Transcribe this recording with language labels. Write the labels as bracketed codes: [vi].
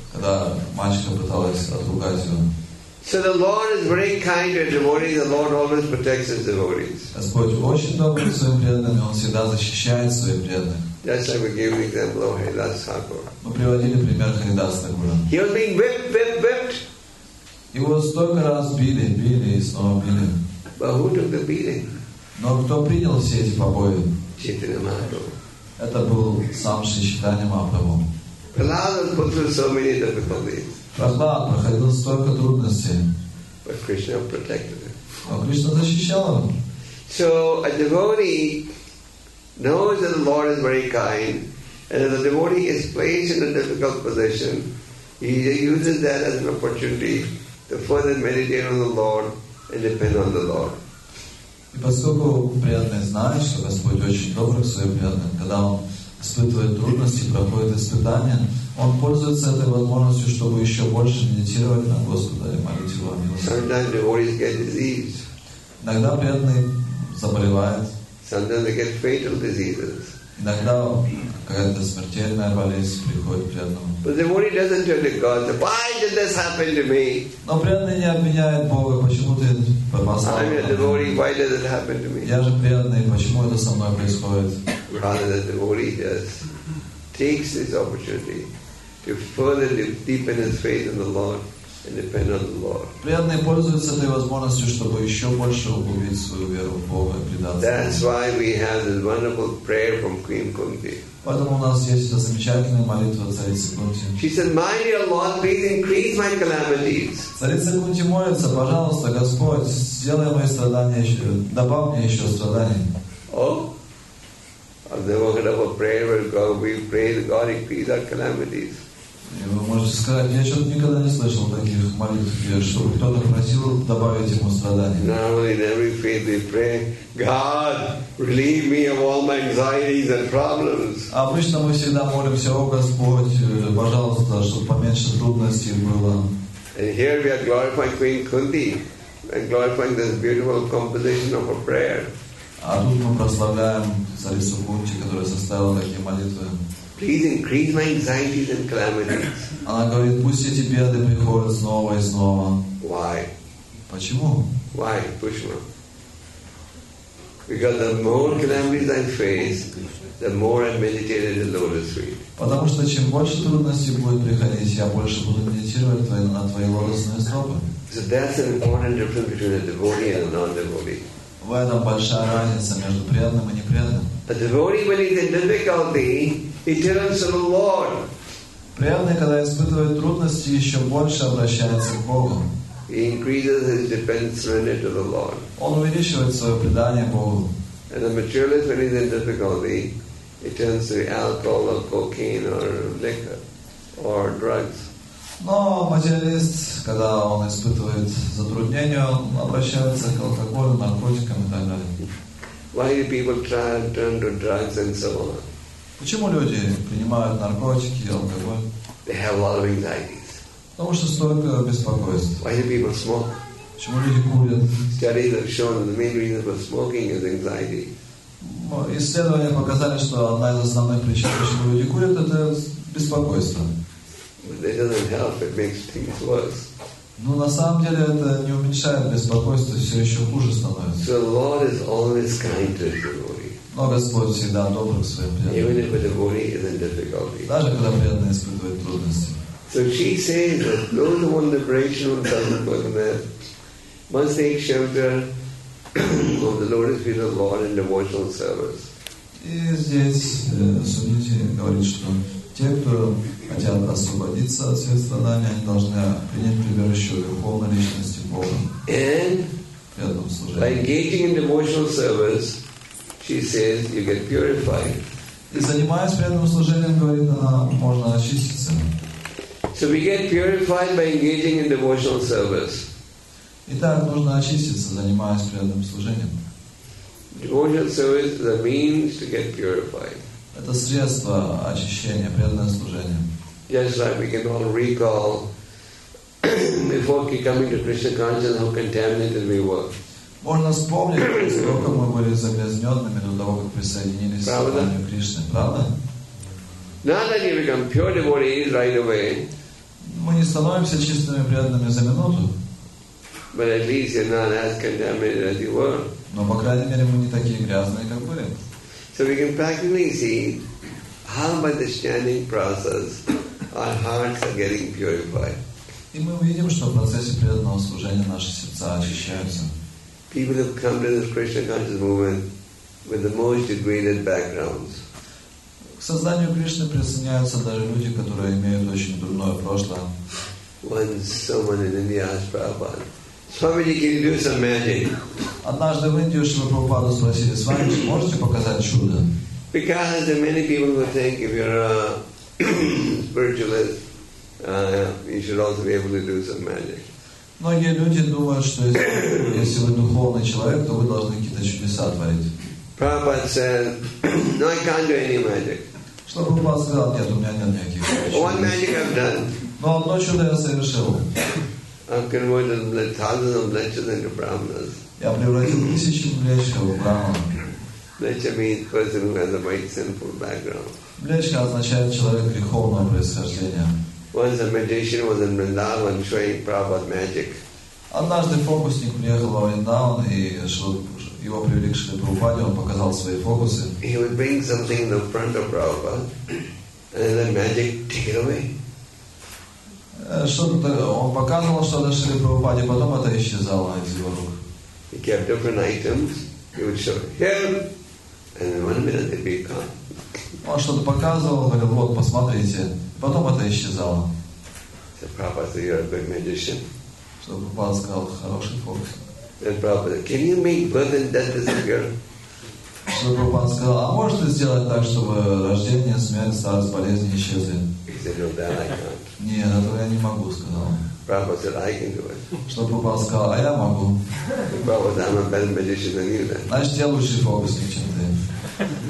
[ru] Когда мачеха пыталась отругать его. [en] So the Lord is very kind to a devotee. The Lord always protects his devotees. [ru] Господь очень добрый к своим преданным, он всегда защищает своих преданных. [en] Yes, I would give example of Haridas Thakur. [ru] Мы приводили пример Харидаса Такура. [en] He was being whipped. He was [ru] столько раз били, и снова били. [en] But who took the beating? [ru] Но кто принял все эти побои? Читтани Махапрабху. Это был сам Шри Читтани Махапрабху. [en] Прохлад put through so many difficulties. [ru] Прохлад проходил столько трудностей. [en] But Krishna protected him. [ru] Но Кришна защищал его. [en] So a devotee knows that the Lord is very kind, and that the devotee is placed in a difficult position, he uses that as an opportunity to further meditate on the Lord and depend on the Lord. [ru] И поскольку преданный знает, что Господь очень добрый к своим преданным, когда он испытывает трудности, проходит испытания, он пользуется этой возможностью, чтобы еще больше медитировать на Господа и молить Его о милости. [en] Sometimes devotees get diseased. [ru] Иногда преданный заболевает. [en] Sometimes they get fatal diseases. [ru] Иногда какая-то смертельная болезнь приходит преданному. [en] But the devotee doesn't turn to God. Why did this happen to me? [ru] Но преданный не обвиняет Бога, почему ты попал? [en] I'm a devotee. Why does it happen to me? [ru] Я же преданный, почему это со мной происходит? [en] Rather, the devotee just takes this opportunity to further deepen his faith in the Lord and depend on the Lord. [ru] Преданный пользуется этой возможностью, чтобы еще больше углубить свою веру в Бога и предаться. [en] That's why we have this wonderful prayer from Queen Kunti. [ru] Поэтому у нас есть эта замечательная молитва царицы Кунти. [en] She said, "My dear Lord, please increase my calamities." [ru] Царица Кунти молится: "Пожалуйста, Господь, сделай мои страдания еще, добавь мне еще страданий." [en] Oh, they were kind of a prayer where God, we pray that God increase our calamities. [ru] И вы можете сказать, я что-то никогда не слышал таких молитв, чтобы кто-то просил добавить ему страдания. [en] Normally in every faith they pray, God, relieve me of all my anxieties and problems. [ru] Обычно мы всегда молимся: о Господь, пожалуйста, чтобы поменьше трудностей было. [en] And here we are glorifying Queen Kunti and glorifying this beautiful composition of a prayer. [ru] А тут мы прославляем царицу Кунти, которая составила такие молитвы. [en] Please increase my anxieties and calamities. [ru] Она говорит: пусть эти беды приходят снова и снова. [en] Why? [ru] Почему? [en] Why, Krishna? Because the more calamities I face, the more I meditate at the lotus feet. [ru] Потому что чем больше трудностей будет приходить, я больше буду медитировать на твои лотосные стопы. [en] So that's an important difference between a devotee and a non-devotee. [ru] В этом большая разница между преданным и непреданным. [en] A devotee when he's in difficulty, he turns to the Lord. [ru] Преданный, когда испытывает трудности, еще больше обращается к Богу. [en] He increases his dependence to the Lord. [ru] Он увеличивает свое предание Богу. [en] And the materialist when he's in difficulty, he turns to alcohol or cocaine or liquor or drugs. [ru] Но материалист, когда он испытывает затруднения, он обращается к алкоголю, наркотикам и так далее. [en] Why do people try and turn to drugs and so on? [ru] Почему люди принимают наркотики, алкоголь? [en] They have a lot of anxieties. [ru] Потому что столько беспокойств. [en] Why do people smoke? [ru] Почему люди курят? [en] Studies have shown that the main reason for smoking is anxiety. [ru] Исследования показали, что одна из основных причин, почему люди курят, это беспокойство. [en] But it doesn't help, it makes things worse. [ru] Но на самом деле это не уменьшает беспокойство, все еще хуже становится. [en] So the Lord is always kind to the devotee. [ru] Но Господь всегда добр к своим преданным. [en] Even if a devotee is in difficulty. [ru] Даже когда преданный испытывает трудности. [en] So she says that those who want liberation from self-consciousness must take shelter of the lotus feet of the Lord in devotional service. [ru] И здесь Сумити говорит, что те, кто хотят освободиться от всех страданий, они должны принять прибежище в духовной личности Бога. [en] And [ru] при этом [en] by engaging in devotional service, she says, you get purified. [ru] И занимаясь при этом служением, говорит она, можно очиститься. [en] So we get purified by engaging in devotional service. [ru] Итак, нужно очиститься, занимаясь при этом служением. [en] Devotional service is a means to get purified. [ru] Это средство очищения, преданное служение. [en] Just like we can all recall before coming to Krishna consciousness how contaminated we were. [ru] Можно вспомнить, насколько мы были загрязненными до того, как присоединились к сознанию Кришны, правда? [en] Now that you become pure devotees right away. [ru] Мы не становимся чистыми преданными за минуту. [en] But at least you're not as contaminated as you were. [ru] Но по крайней мере мы не такие грязные, как были. [en] So we can practically see how by the chanting process our hearts are getting purified. [ru] И мы видим, что в процессе преданного служения наши сердца очищаются. [en] People who come to this Krishna conscious movement with the most degraded backgrounds. [ru] К сознанию Кришны присоединяются даже люди, которые имеют очень дурное прошлое. [en] Once someone in India asked Prabhupada, Swamiji, can you do some magic? [ru] Однажды в Индии Шрила Прабхупада спросили, Свами, можете показать чудо? [en] Because there are many people who think if you're a spiritualist, you should also be able to do some magic. [ru] Многие люди думают, что если вы духовный человек, то вы должны какие-то чудеса творить. [en] Prabhupada said, no, I can't do any magic. [ru] Что Прабхупада сказал, нет, у меня нет никаких чудес. [en] One magic I've done. [ru] Но одно чудо я совершил. [en] I've converted thousands of lechas into brahmanas. [ru] Я превратил тысячи млечков в брахмана. [en] Lecha means person who has a white sinful background. [ru] Млечка означает человек греховного происхождения. [en] Once a magician was in Vrindavan showing Prabhupada magic. [ru] Однажды фокусник приехал в Вриндаван и его привели к Шриле Прабхупаде, он показал свои фокусы. [en] He would bring something in the front of Prabhupada and then magic take it away. [ru] Что-то он показывал что-то Шриле Прабхупаде, потом это исчезало из его рук. [en] He kept different items. He would show him and in 1 minute they'd be gone. [ru] Он что-то показывал, говорил, вот, посмотрите. Потом это исчезало. [en] So Prabhupada said, you're a good magician. [ru] Что Прабхупада сказал, хороший фокусник. [en] Then Prabhupada said, can you make birth and death disappear? [ru] Что Прабхупада сказал, а можете сделать так, чтобы рождение, смерть, старость, болезни исчезли? [en] He said, no, that I can't. [ru] Нет, этого я не могу, сказал. [en] Prabhupada said, I can do it. [ru] Что Прабхупада сказал, а я могу. [en] So Prabhupada said, I'm a better magician than you then. [ru] Значит, я лучший фокусник, чем ты.